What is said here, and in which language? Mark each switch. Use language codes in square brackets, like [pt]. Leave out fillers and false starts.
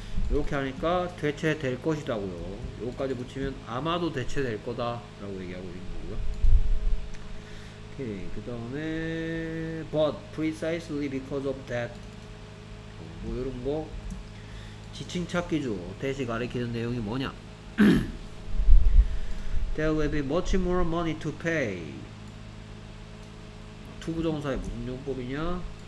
[ko] 이렇게 하니까 대체될 것이다고요. 여기까지 붙이면 아마도 대체될 거다라고 얘기하고 있는 거고요. 오케이. 그 다음에 [en] but precisely because of that [ko] 뭐 이런 거 지칭 찾기죠. 대시 가리키는 내용이 뭐냐. [en] There will be much more money to pay. [ko] 투부정사의 무슨 용법이냐?